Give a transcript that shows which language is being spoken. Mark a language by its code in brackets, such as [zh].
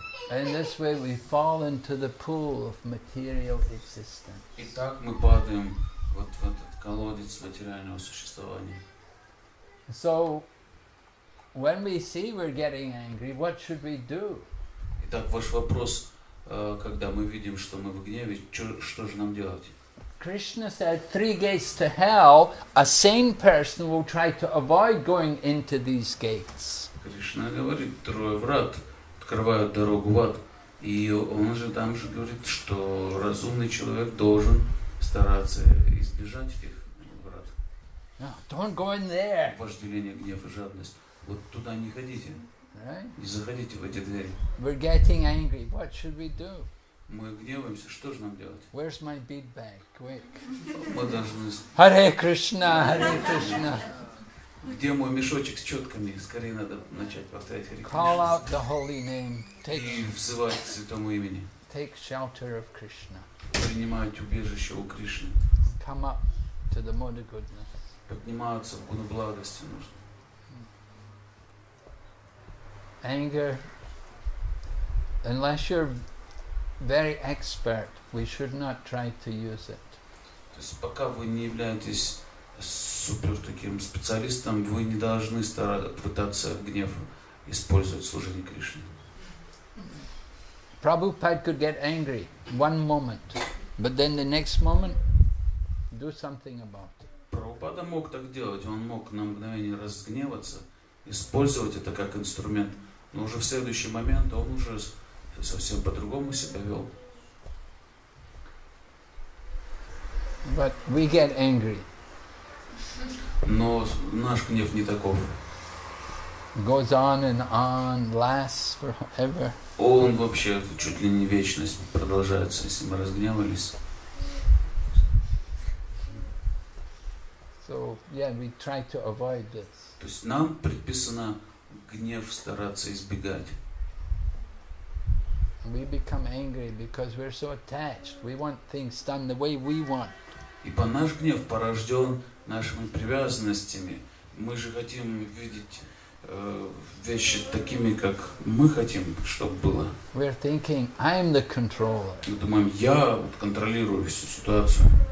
[en] And this way we fall into the pool of material existence. [ru] И так мы падаем вот в этот колодец материального существования. [en] So, when we see we're getting angry, what should we do? [ru] Итак, ваш вопрос, когда мы видим, что мы в гневе, что же нам делать? [en] Krishna said, three gates to hell. A sane person will try to avoid going into these gates. [ru] Кришна говорит, трое врат открывают дорогу в ад. И он же там же говорит, что разумный человек должен стараться избежать этих врат. [en] No, don't go in there. [ru] Вожделение, гнев и жадность. Вот туда не ходите. [en] Right? [ru] Не заходите в эти двери. [en] We're getting angry. What should we do? [ru] Мы гневаемся. Что же нам делать? [en] Where's my bead bag? Quick. [ru] Мы должны... [sa] Hare Krishna, Hare Krishna. [ru] Где мой мешочек с четками? Скорее надо начать повторять Hare Krishna. [en] Call out the holy name. Take, [ru] и взывать к святому имени. [en] Take shelter of Krishna. [ru] Принимать убежище у Кришны. [en] Come up to the mode of goodness. [ru] Подниматься в гуну благости нужно. [en] Anger. Unless you're very expert, we should not try to use it. [ru] То есть пока вы не являетесь супер таким специалистом, вы не должны пытаться гнев использовать в служении Кришне. [en] Prabhupada could get angry one moment, but then the next moment do something about it. [ru] Прабхупада мог так делать, он мог на мгновение разгневаться, использовать это как инструмент, но уже в следующий момент он уже совсем по-другому себя вел. [en] But we get angry. [ru] Но наш гнев не таков. [en] Goes on and on, lasts forever. [ru] Он вообще чуть ли не вечность продолжается, если мы разгневались. [en] So, yeah, we try to avoid this. [ru] То есть нам предписано гнев стараться избегать. [en] We become angry because we're so attached. We want things done the way we want. [ru] Ибо наш гнев порожден нашими привязанностями. Мы же хотим видеть вещи такими, как мы хотим, чтобы было. [en] We're thinking, I'm the controller. [ru] Мы думаем, я вот контролирую всю ситуацию.